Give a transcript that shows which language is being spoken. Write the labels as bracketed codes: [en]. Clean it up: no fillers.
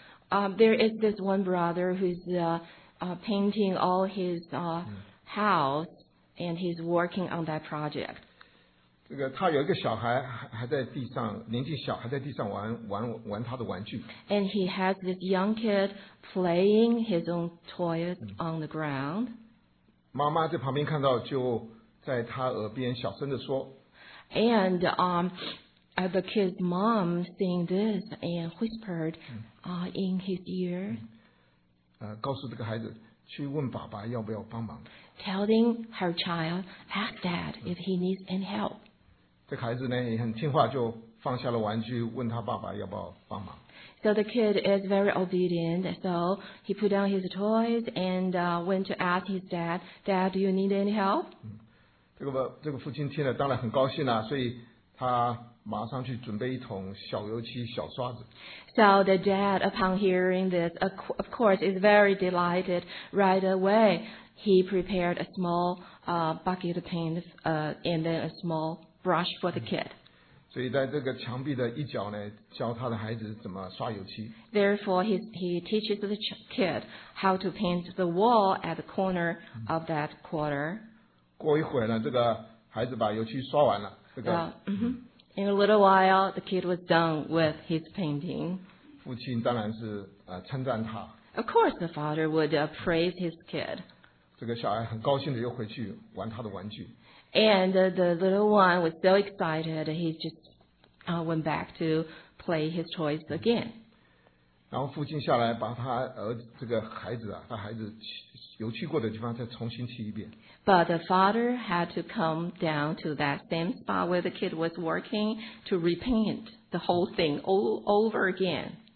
[en] There is this one brother who's painting all his house, and he's working on that project. [zh] 这个他有一个小孩还在地上，年纪小还在地上玩他的玩具。 [en] And he has this young kid playing his own toys on the ground. [zh] 妈妈在旁边看到，就在他耳边小声的说。 [en] And the kid's mom seeing this and whispered in his ear, [zh] 告诉这个孩子去问爸爸要不要帮忙。 [en] Telling her child, ask dad if he needs any help. [zh] 这个孩子呢也很听话，就放下了玩具，问他爸爸要不要帮忙。 [en] So the kid is very obedient, so he put down his toys and went to ask his dad, Dad, do you need any help? [zh] 这个父亲听了当然很高兴啊，所以他马上去准备一桶小油漆、小刷子。 [en] So the dad, upon hearing this, of course, is very delighted. Right away, he prepared a small bucket of paint, and then a small brush for the kid. [zh] 所以在这个墙壁的一角呢，教他的孩子怎么刷油漆。 [en] Therefore, he teaches the kid how to paint the wall at the corner of that quarter. [zh] 过一会呢，这个孩子把油漆刷完了。 [en] In a little while, the kid was done with his painting. [zh] 父亲当然是称赞他。 [en] Of course, the father would praise his kid. [zh] 这个小孩很高兴的又回去玩他的玩具。 [en] And the little one was so excited, he just went back to play his toys again. [zh] 然后父亲下来把他这个孩子他孩子游去过的地方再重新漆一遍。 [en] But the father had to come down to that same spot where the kid was working to repaint the whole thing all over again.